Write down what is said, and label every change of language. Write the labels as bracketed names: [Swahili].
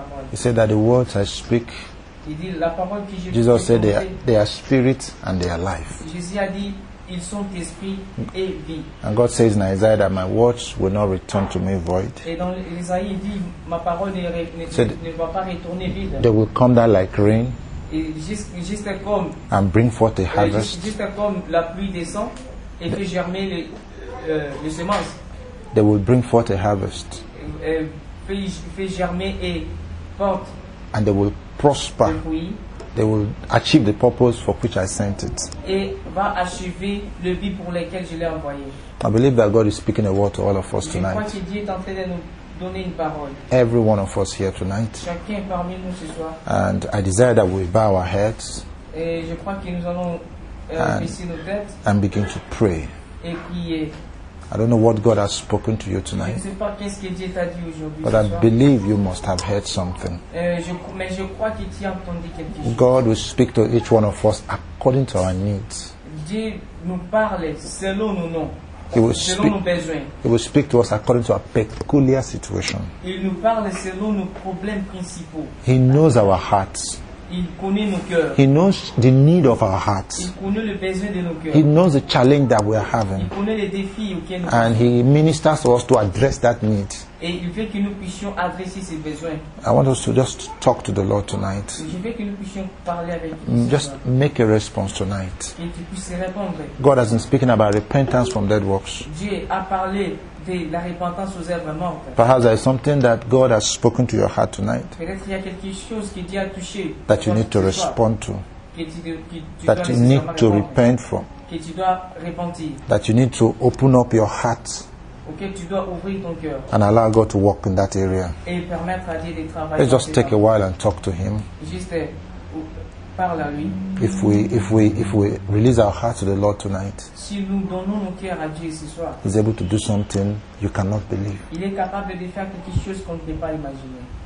[English] He said that the words I speak, Jesus said they are spirit and they are life. [French] Ils sont esprit et vie. [English] And God says in Isaiah that my words will not return to me void. [French] Et dans l'Isaïe il dit ma parole ne va pas retourner vide. [English] They will come down like rain. [French] Et juste comme. [English] And bring forth a harvest. [French] Juste comme la pluie descend et fait germer les semences. [English] They will bring forth a harvest. [French] Fait germer et porte. [English] And they will prosper. They will achieve the purpose for which I sent it. [French] Et va achever le but pour lequel je l'ai envoyé. [English] I believe that God is speaking a word to all of us tonight. [French] Je crois que Dieu est en train de nous donner une parole. [English] Every one of us here tonight. [French] Chacun parmi nous ce soir. [English] And I desire that we bow our heads. [French] Et je crois que nous allons baisser nos têtes. [English] And begin to pray. [French] Et prier. [English] I don't know what God has spoken to you tonight. [French] Je sais pas qu'est-ce que Dieu t'a dit aujourd'hui. [English] But I believe you must have heard something. [French] Mais je crois que tu as entendu quelque chose. [English] God will speak to each one of us according to our needs. [French] Dieu nous parle selon nos noms. [English] He will speak to us according to our peculiar situation. [French] Il nous parle selon nos problèmes principaux. [English] He knows our hearts. [French] Il connaît nos cœurs. [English] He knows the need of our hearts. [French] Il connaît le besoin de nos cœurs. [English] He knows the challenge that we are having. [French] Il connaît les défis auxquels nous [English] and he ministers to us to address that need. [French] Et il veut que nous puissions adresser ces besoins. [English] I want us to just talk to the Lord tonight. [French] Je veux que nous puissions parler avec [English] just Lord. Make a response tonight. [French] Et tu puisses répondre. [English] God has been speaking about repentance from dead works. [French] Dieu a parlé de la repentance aux œuvres mortes. [English] Perhaps there is something that God has spoken to your heart tonight. [French] Peut-être qu'il y a quelque chose que Dieu a touché. [English] That you need to respond to. That you need to repent from. [French] Que tu dois repentir. [English] That you need to open up your heart. [French] Auquel tu dois ouvrir ton cœur. [English] And allow God to work in that area. [French] Et permettre à Dieu de travailler. [English] Let's just take a while and talk to him. [French] Juste parle à lui. [English] If we release our heart to the Lord tonight. [French] Si nous donnons nos cœurs à Dieu ce soir. [English] He's able to do something you cannot believe. [French] Il est capable de faire quelque chose qu'on ne peut pas imaginer.